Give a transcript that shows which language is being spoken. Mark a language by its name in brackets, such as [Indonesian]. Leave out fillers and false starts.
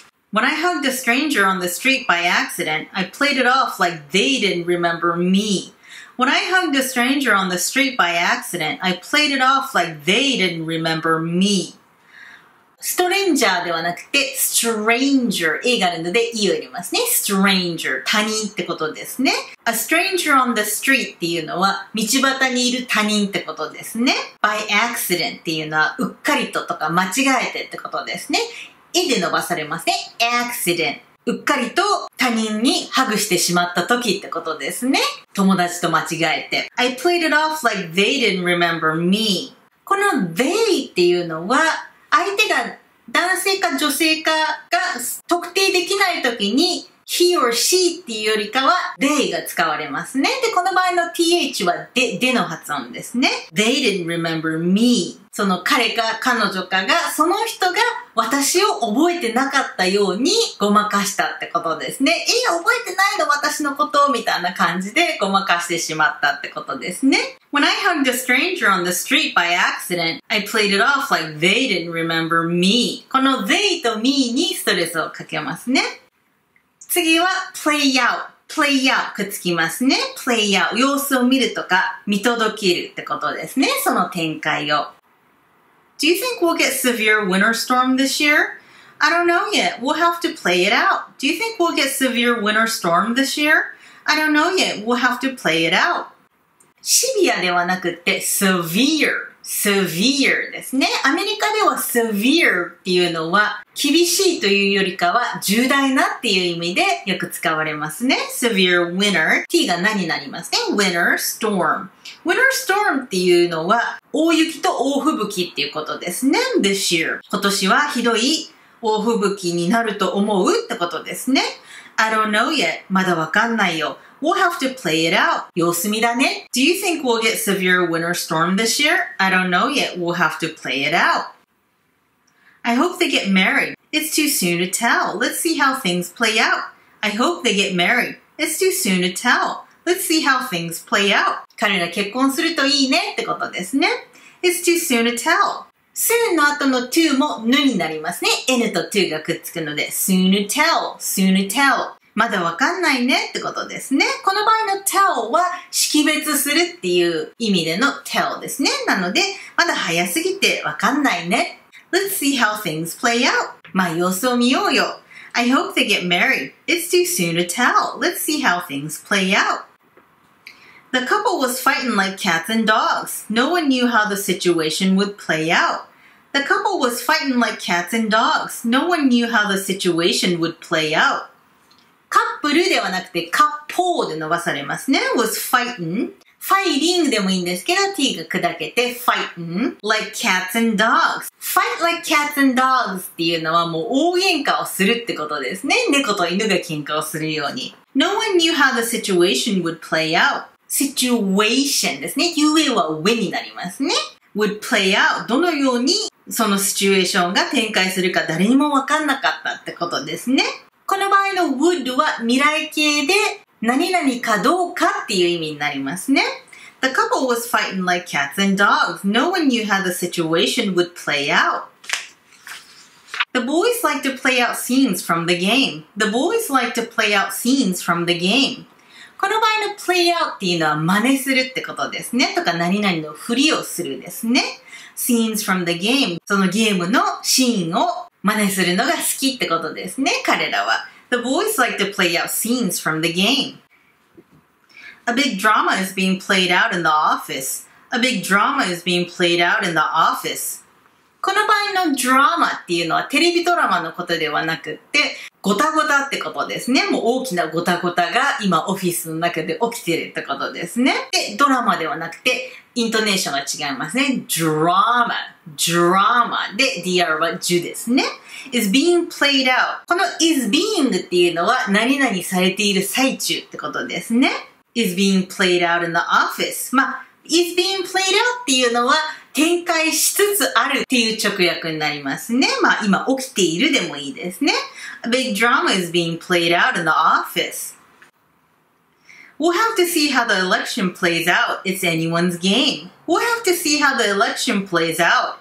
[English] When I hugged a stranger on the street by accident, I played it off like they didn't remember me. When I hugged a stranger on the street by accident, I played it off like they didn't remember me. [Japanese] ストレンジャーではなくて、ストレンジャー、 A があるので E を入れますね。ストレンジャー、他人ってことですね。 [English] A stranger on the street [Japanese] っていうのは、道端にいる他人ってことですね。 By accident っていうのは、うっかりととか間違えてってことですね。 E で伸ばされますね。Accident。うっかりと他人にハグしてしまった時ってことですね。友達と間違えて。 [English] I played it off like they didn't remember me. [Japanese] この they っていうのは、相手が男性か女性かが特定できないときに he or she っていうよりかは they が使われますね。で、この場合の th は での発音ですね。 [English] They didn't remember me. [Japanese] その彼か彼女かが、その人が私を覚えてなかったようにごまかしたってことですね。え、覚えてないの私のことみたいな感じでごまかしてしまったってことですね。 [English] When I hugged a stranger on the street by accident, I played it off like they didn't remember me. [Japanese] この they と me にストレスをかけますね。次は play out。 play out くっつきますね。play out。様子を見るとか見届けるってことですね。その展開を。 [English] Do you think we'll get severe winter storm this year? I don't know yet. We'll have to play it out. Do you think we'll get severe winter storm this year? I don't know yet. We'll have to play it out. [Japanese] シビアではなくて severe, severe ですね。アメリカでは severe っていうのは厳しいというよりかは重大なっていう意味でよく使われますね。 severe winter, T が何になりますね。winter storm. winter storm っていうのは大雪と大吹雪っていうことですね。this year. 今年はひどい大吹雪になると思うってことですね。 [English] I don't know yet. [Japanese] まだわかんないよ。 [English] We'll have to play it out. [Japanese] 様子見だね。 [English] Do you think we'll get severe winter storm this year? I don't know yet. We'll have to play it out. I hope they get married. It's too soon to tell. Let's see how things play out. I hope they get married. It's too soon to tell. Let's see how things play out. [Japanese] 彼ら結婚するといいねってことですね。 [English] It's too soon to tell. [Japanese] soon の後の to もぬになりますね。n と to がくっつくので、soon to tell, soon to tell. まだわかんないねってことですね。この場合の tell は識別するっていう意味での tell ですね。なので、まだ早すぎてわかんないね。 [English] Let's see how things play out. [Japanese] まあ様子を見ようよ。 [English] I hope they get married. It's too soon to tell. Let's see how things play out. The couple was fighting like cats and dogs. No one knew how the situation would play out. The couple was fighting like cats and dogs. No one knew how the situation would play out. [Japanese] カップルではなくてカッポーで伸ばされますね。 was fighting. fighting でもいいんですけど、T が砕けて fighting [English] like cats and dogs. [Japanese] fight like cats and dogs っていうのはもう大喧嘩をするってことですね。猫と犬が喧嘩をするように。 [English] No one knew how the situation would play out. [Japanese] situation ですね。UA は when になりますね。 [English] would play out. [Japanese] どのようにそのシチュエーションが展開するか誰にもわかんなかったってことですね。この場合の would は未来形で何々かどうかっていう意味になりますね。 [English] The couple was fighting like cats and dogs. No one knew how the situation would play out. The boys like to play out scenes from the game. The boys like to play out scenes from the game. [Japanese] この場合の play out っていうのは真似するってことですね。とか何々の振りをするですね。 [English] scenes from the game. [Japanese] そのゲームのシーンを真似するのが好きってことですね。彼らは。 [English] The boys like to play out scenes from the game. A big drama is being played out in the office. A big drama is being played out in the office. [Japanese] この場合の drama っていうのはテレビドラマのことではなくって、ごたごたってことですね。もう大きなごたごたが今オフィスの中で起きてるってことですね。で、ドラマではなくて、イントネーションが違いますね。 drama, drama で、dr は ju ですね。 [English] is being played out. [Japanese] この is being っていうのは何々されている最中ってことですね。 [English] is being played out in the office. [Japanese] まあ、is being played out っていうのは展開しつつあるっていう直訳になりますね。まあ、今起きているでもいいですね。 [English] A big drama is being played out in the office. We'll have to see how the election plays out. It's anyone's game. We'll have to see how the election plays out.